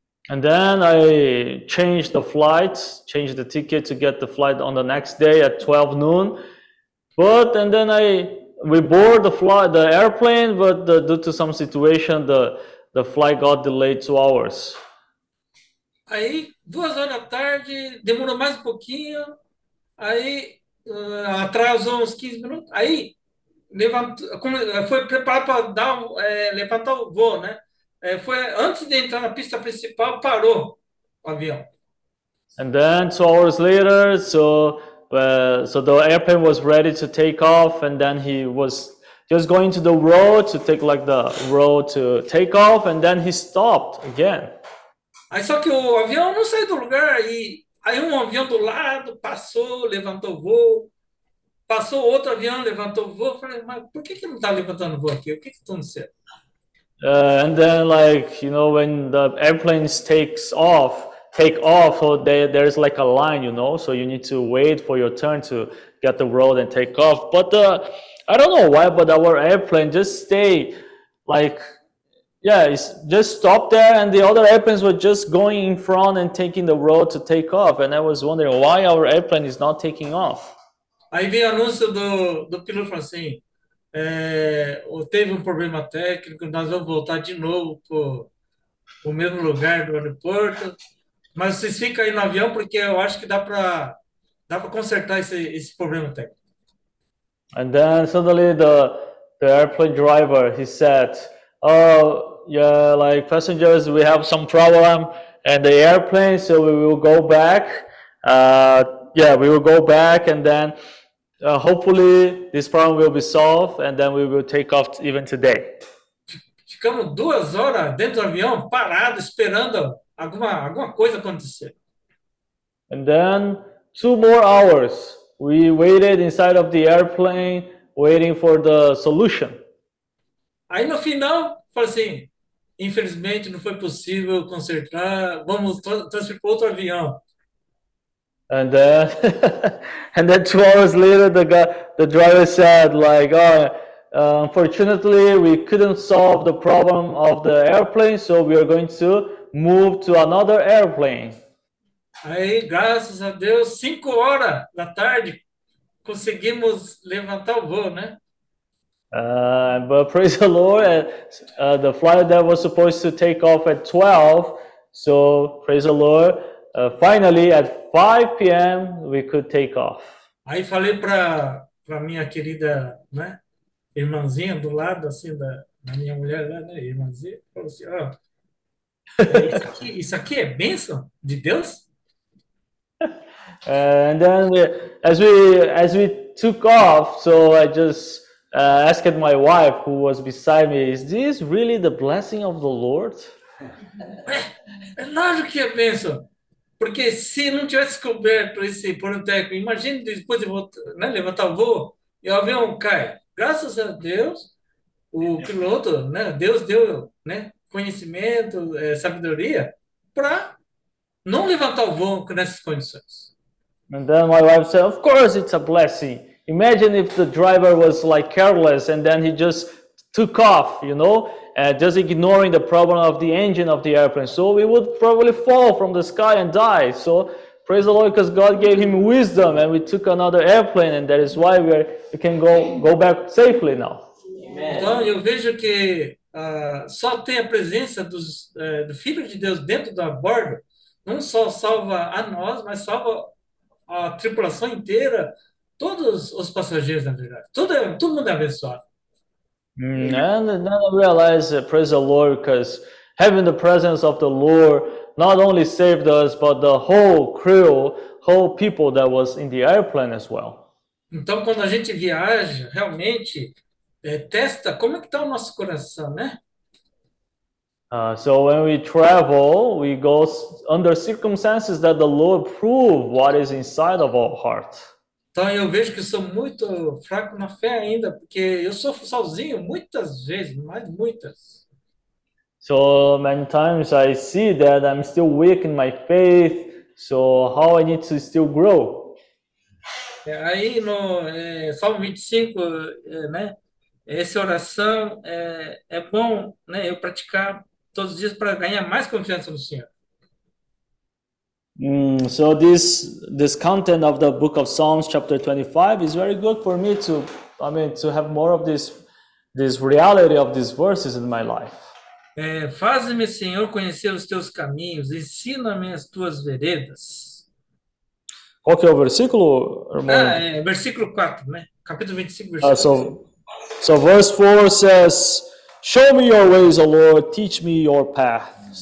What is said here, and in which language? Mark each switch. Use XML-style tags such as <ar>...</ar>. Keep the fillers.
<en>And then I changed the flight, changed the ticket to get the flight on the next day at 12 noon. But and then I we board the flight, the airplane, but the, due to some situation, the the flight got delayed two hours.</en> <pt>Aí, duas horas da tarde, demorou mais um pouquinho, aí uh, atrasou uns 15 minutos, aí levantou, foi preparado para dar é, levantar o voo, né? É, foi antes de entrar na pista principal, parou o avião.</pt> <en>And then two hours later, so, uh, so airplane was ready to take off, and then he was just going to the road to take like the road to take off, and then he stopped again.</en> <pt>Aí só que o avião não saiu do and</pt> <en>then like you know when the airplanes takes off take off so they, there's like a line you know so you need to wait for your turn to get the road and take off but uh, i don't know why but our airplane just stay like yeah, just stopped there, and the other airplanes were just going in front and taking the road to take off. And I was wondering why our airplane is not taking off.</en> <pt>Aí vem anúncio do do piloto assim, é, teve um problema técnico, nós vamos voltar de novo pro, pro mesmo lugar do aeroporto, mas vocês ficam aí no avião porque eu acho que dá para dá para consertar esse esse problema técnico.</pt> <en>And then suddenly the the airplane driver he said. Oh, uh, yeah, like passengers, we have some problem and the airplane, so we will go back. Uh, yeah, we will go back and then uh, hopefully this problem will be solved and then we will take off even today. And then two more hours we waited inside of the airplane waiting for the solution.</en> <pt>Aí no final, falei infelizmente não foi possível consertar, vamos transferir para outro avião.</pt> <en>And uh, and then two hours later, the guy, the driver said, like, oh, uh, unfortunately, we couldn't solve the problem of the airplane, so we are going to move to another airplane.</en> <pt>Aí, graças a Deus, cinco horas da tarde, conseguimos levantar o voo, né?</pt> <en>Uh, but praise the Lord, uh, the flight that was supposed to take off at 12. So praise the Lord, uh, finally at 5 p.m. we could take off. Aí</en> <pt>falei para minha querida né, irmãzinha do lado, assim, da, da minha mulher, lá, né, irmãzinha, falou assim, ó, oh, isso, aqui, isso aqui é bênção de Deus?</pt> <en>Uh, and then we, uh, as, we, as we took off, so I just... uh, asked my wife, who was beside me, "Is this really the blessing of the Lord?"</en> <pt>É, é lógico que eu penso porque se não tivesse descoberto esse pornotécnico, imagine depois de levantar o voo e o avião cai. Graças a Deus, o piloto, Deus deu conhecimento, sabedoria para não levantar o voo nessas condições.</pt> <en>And then my wife said, of course it's a blessing. imagine if the driver was like careless and then he just took off you know uh, just ignoring the problem of the engine of the airplane so we would probably fall from the sky and die so praise the lord because god gave him wisdom and we took another airplane and that is why we, are, we can go go back safely now Amen.</en> <pt>Então, eu vejo que uh, só tem a presença dos, uh, do Filho de Deus dentro da borda, não só salva a nós, mas salva a tripulação inteira, todos os passageiros, na verdade, todo, todo mundo é abençoado.</pt> <en>And then I realized, uh, praise the Lord, because having the presence of the Lord not only saved us, but the whole crew, whole people that was in the airplane as well.</en> <pt>Então, quando a gente viaja, realmente é, testa como é está o nosso coração, né?</pt> <en>Uh, so when we travel, we go under circumstances that the Lord prove what is inside of our hearts.</en> <pt>Então eu vejo que eu sou muito fraco na fé ainda, porque eu sofro sozinho muitas vezes, mas muitas.</pt> <en>So many I see that I'm still weak in my faith. So how I need to still grow?</en> <pt>aí no é, Salmo 25, é, né? Essa oração é, é bom, né? Eu praticar todos os dias para ganhar mais confiança no Senhor.</pt> <en>Mm, so this this content of the book of Psalms, chapter twenty-five, is very good for me to, I mean, to have more of this this reality of these verses in my life.</en> <pt>e Faz-me, Senhor, conhecer os teus caminhos, ensina-me as tuas veredas. Qual que é Ah, é, 4, né? Capítulo 25, uh,</pt> <en>so, So, verse 4 says, Show me your ways, O Lord, teach me your path.</en>